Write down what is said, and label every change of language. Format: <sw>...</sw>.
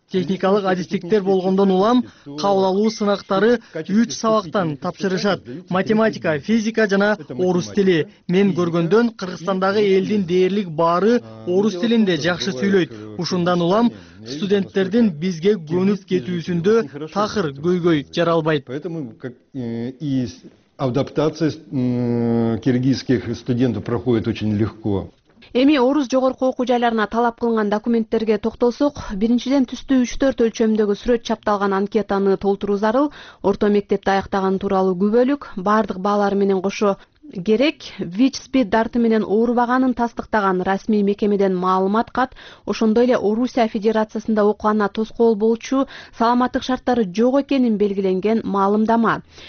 <ky>Техникалык адистиктер болгондон улам кабыл алуу сынактары 3 сабактан тапшырышат: математика, физика жана орус тили. Мен көргөндөн Кыргызстандагы элдин дээрлик баары орус тилинде жакшы сүйлөйт. Ушундан улам студенттердин бизге көнүп кетүүсүндө такыр көйгөй жаралбайт.</ky> <ru>Поэтому адаптация киргизских студентов проходит очень легко.</ru> <ky>Эми орус жогорку окуу жайларына талап кылынган документтерге токтолсок, биринчиден түстүү 3-4 өлчөмдөгү сүрөт чапталган анкетаны толтуруу зарыл, орто мектепти аяктаган тууралуу күбөлүк, баардык баалары менен кошо керек, ВИЧ СПИД дарты менен оорубаганын тастыктаган расмий мекемеден маалымат кат, ошондой эле Орусия Федерациясында окуганына тоскоол болчу саламаттык шарттары жок экенин белгиленген маалымдама.</ky>